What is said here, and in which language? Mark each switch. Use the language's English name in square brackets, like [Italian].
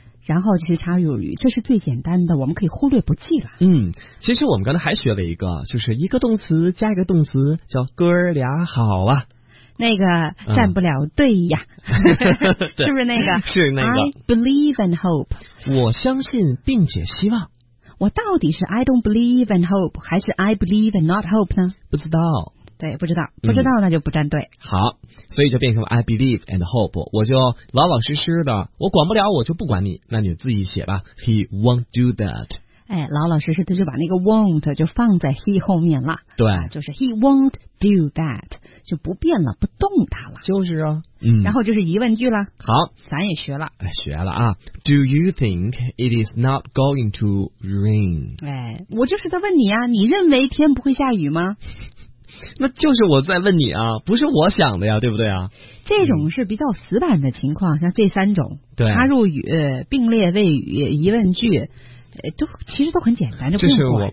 [Chinese] 然后就是插入语，这是最简单的，我们可以忽略不计了。嗯，其实我们刚才还学了一个，就是一个动词加一个动词叫哥俩好啊，那个站不了队呀、嗯、是不是那个是那个 [English] I believe and hope， [Chinese] 我相信并且希望。我到底是 [English] I don't believe and hope [Chinese] 还是 [English] I believe and not hope [Chinese] 呢？不知道。对，不知道，不知道那就不站队、嗯、好，所以就变成了 [English] I believe and hope， [Chinese] 我就老老实实的，我管不了我就不管你，那你自己写吧。 [English] He won't do that。 [Chinese] 哎，老老实实他就把那个 won't 就放在 he 后面了。对、就是 [English] he won't do that， [Chinese] 就不变了，不动他了，就是啊、哦、嗯，然后就是疑问句了。好，咱也学了。哎，学了啊。 [English] Do you think it is not going to rain？ [Chinese] 哎，我就是在问你啊，你认为天不会下雨吗？那就是我在问你啊，不是我想的呀，对不对啊？这种是比较死板的情况，像这三种，对，插入语、并列谓语、疑问句，都其实都很简单，就不管